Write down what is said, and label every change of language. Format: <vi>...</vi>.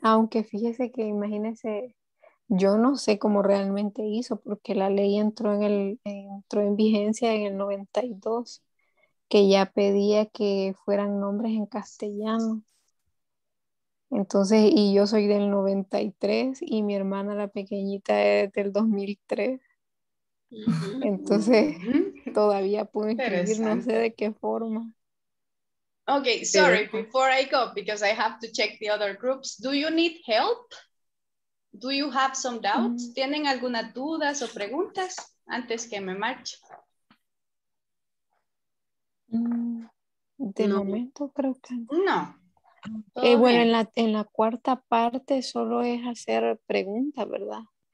<es>Aunque fíjese que imagínese, yo no sé cómo realmente hizo, porque la ley entró en vigencia en el 92, que ya pedía que fueran nombres en castellano. Entonces, y yo soy del 93 y mi hermana la pequeñita es del 2003. Entonces todavía puedo escribir, no sé de qué forma.</es> <en>Okay, sorry, before I go, because I have to check the other groups. Do you need help? Do you have some doubts? Mm-hmm.</en> <es>¿Tienen alguna duda o preguntas antes que me marche? De momento creo que no. Bueno, en la cuarta parte solo es hacer preguntas, ¿verdad?</es>